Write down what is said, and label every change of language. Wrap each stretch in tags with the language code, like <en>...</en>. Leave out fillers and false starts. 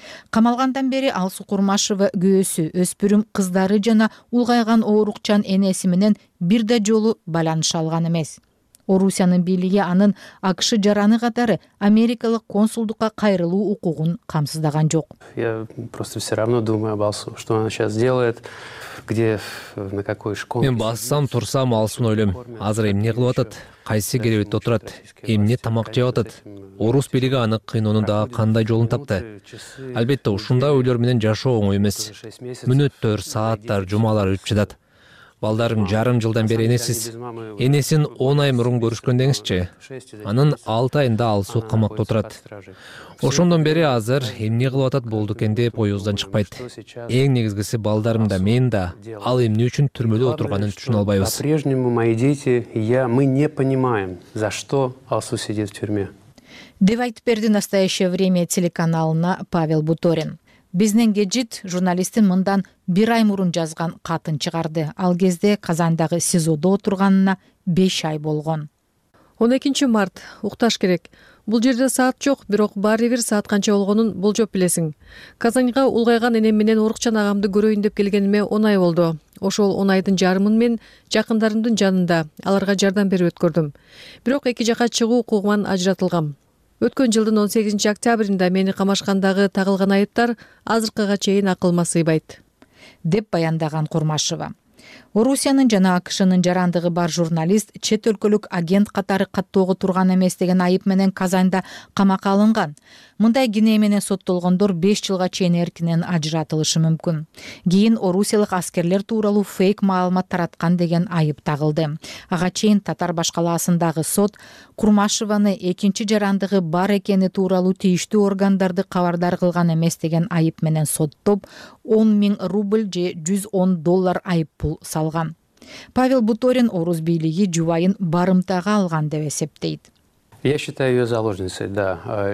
<ky>Камалгандан бери Алсу Курмашева күйөөсү, өспүрүм кыздары жана улгайган оорукчан энеси менен бир да жолу байланыша алган эмес. Орусиянын бийлиги анын АКШ жараны катары америкалык консулдукка кайрылуу укугун камсыздаган жок.</ky> <ru>Я просто все равно думаю об Алсу, что она сейчас делает, где, на какой школе.</ru> <ky>Мен бассам, турсам Алсуну ойлойм. Азыр эмне кылып атат? Кайсы керебетте отурат? Эмне тамак жеп атат? Орус бийлиги аны кыйноонун дагы кандай жолун тапты? Албетте, ушундай ойлор менен жашоо оңой эмес. Мүнөттөр, сааттар, жумалар өтүп жатат. Балдарым жарым жылдан бери энесиз. Энесин 10 ай мурун көрүшкөндөңүзчү. Анын 6 айында Алсу камакта отурат. Ошондон бери азыр эмне кылып атат болду экен деп оюбуздан чыкпайт. Эң негизгиси балдарым да, мен да ал эмне үчүн түрмөдө отурганын түшүнө албайбыз.</ky> <ru>По-прежнему мои дети и я, мы не понимаем, за что Алсу сидит в тюрьме.</ru> <ky>Деп айтып берди Настоящее время телеканалына Павел Буторин. Бизнен гежит журналисттин мындан бир ай мурун жазган катын чыгарды. Ал кезде Казандагы СИЗОдо отурганына 5 ай болгон. 12 март, укташ керек. Бул жерде саат жок, бирок баары бир саат канча болгонун болжоп билесиң. Казанга улгайган энем менен орукчан агамды көрөйүн деп келгениме 10 ай болду. Ошол 10 айдын жарымын мен жакындарымдын жанында аларга жардам берип өткөрдүм. Бирок эки жака чыгуу укугуман ажыратылгам. Өткөн жылдын 18 октябрында мени камашкандагы тагылган айыптар азыркыга чейин акылыма сыйбайт, деп баяндаган Курмашева. Орусиянын жана АКШнын жарандыгы бар журналист чет өлкөлүк агент катары каттоого турган эмес деген айып менен Казанда камакка алынган. Мындай кинээ менен соттолгондор 5 жылга чейин эркинен ажыратылышы мүмкүн. Кийин орусиялык аскерлер тууралуу фейк маалымат тараткан деген айып тагылды. Ага чейин татар башкалаасындагы сот Курмашеваны экинчи жарандыгы бар экени тууралуу тийиштүү органдарды кабардар кылган эмес деген айып менен соттоп 10,000 рубль же 110 доллар айыппул салган. Павел Буторин орус бийлиги жубайын барымтага алган деп эсептейт.</ky> <ru>Я считаю ее заложницей, да.</ru>